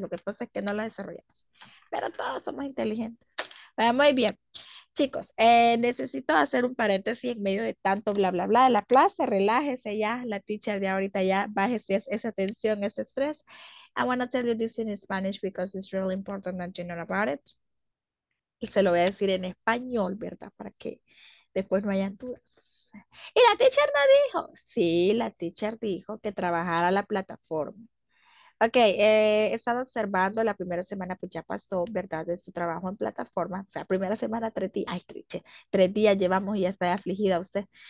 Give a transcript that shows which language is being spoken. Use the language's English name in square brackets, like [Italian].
[Spanish] Lo que pasa es que no la desarrollamos. Pero todos somos inteligentes. Bueno, muy bien. Chicos, necesito hacer un paréntesis en medio de tanto bla, bla, bla de la clase. Relájese ya, la teacher de ahorita ya. Bájese esa tensión, ese estrés. [English] I want to tell you this in Spanish because it's really important that you know about it. [Spanish] Y se lo voy a decir en español, ¿verdad? Para que después no hayan dudas. ¿Y la teacher no dijo? Sí, la teacher dijo que trabajara la plataforma. Ok, he estado observando la primera semana, pues ya pasó, ¿verdad? De su trabajo en plataforma. O sea, primera semana, tres días. Ay, cliché, tres días llevamos y ya está afligida usted.